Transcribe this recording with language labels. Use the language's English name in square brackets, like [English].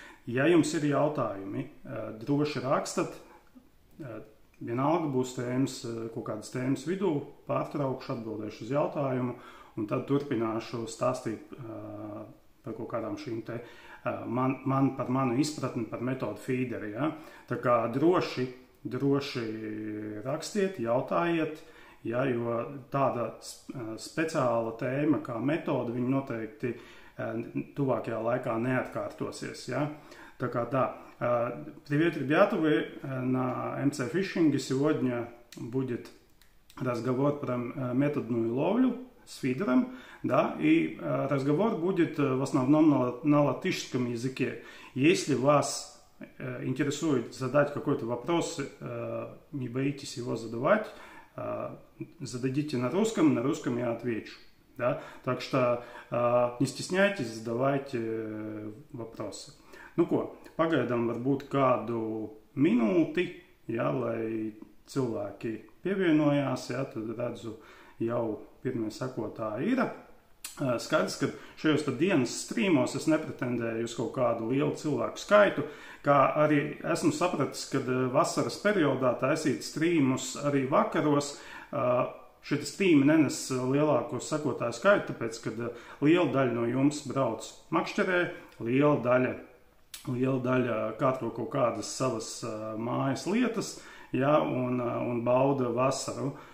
[Latvian] Ja jums ir jautājumi, droši rakstat, vienalga būs tēmas, kaut kādas tēmas vidū, pārtraukšu, atbildēšu uz jautājumu un tad turpināšu stāstīt par kaut kādām šīm te par manu izpratni, par metodu feederi. Ja? Tā kā droši rakstiet, jautājiet, ja? Jo tāda speciāla tēma kā metoda, viņa noteikti tuvākajā laikā neatkārtosies. Ja? Tā kā tā. [Russian] Privēt ir Bjatovi na MC Fishing. Сегодня будет разговор про методную ловлю с фидером. Да, и разговор будет в основном на латышском языке. Если вас интересует задать какой-то вопрос, не боитесь его задавать, зададите на русском я отвечу. Да? Так что не стесняйтесь, задавайте вопросы. [Latvian] Nu ko, pagaidām varbūt kādu minūti, ja, lai cilvēki pievienojās, ja, tad redzu, jau pirmie sekotāji ir. Skaidrs, ka šajos dienas strīmos es nepretendēju uz kaut kādu lielu cilvēku skaitu, kā arī esmu sapratis, ka vasaras periodā taisīt strīmus arī vakaros, šie strīmi nenes lielāko sekotāju skaitu, tāpēc, ka liela daļa no jums brauc makšķerē, liela daļa kārto kaut kādas savas mājas lietas, ja, un bauda vasaru.